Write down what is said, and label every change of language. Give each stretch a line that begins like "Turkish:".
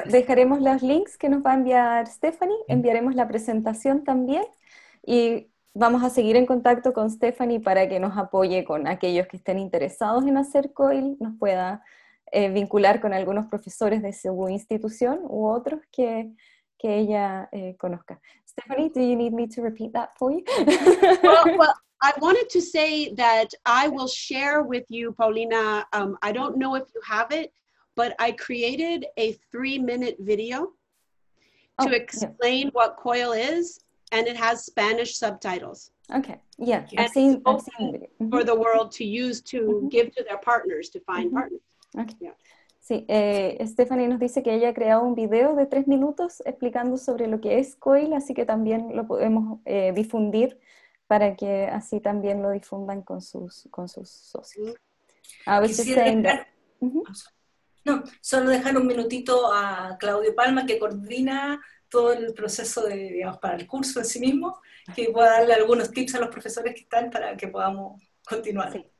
Spanish: Bueno, dejaremos los links que nos va a enviar Stephanie. Enviaremos la presentación también. Y vamos a seguir en contacto con Stephanie para que nos apoye con aquellos que estén interesados en hacer COIL, nos pueda vincular con algunos profesores de su institución u otros que ella conozca.
English: Stephanie, do you need me to repeat that for you? well, I wanted to say that I will share with you, Paulina, I don't know if you have it, but I created a 3-minute video to explain what COIL is, and it has Spanish subtitles. Okay, yeah. I've seen the video. For the world to use to give to their partners, to find partners. Okay. Yeah.
Spanish: Sí, Stephanie nos dice que ella ha creado un video de 3 minutos explicando sobre lo que es COIL, así que también lo podemos difundir para que así también lo difundan con sus socios. A veces quisiera solo dejar un minutito a Claudio Palma, que coordina todo el proceso de, digamos, para el curso en sí mismo, que pueda darle algunos tips a los profesores que están para que podamos continuar.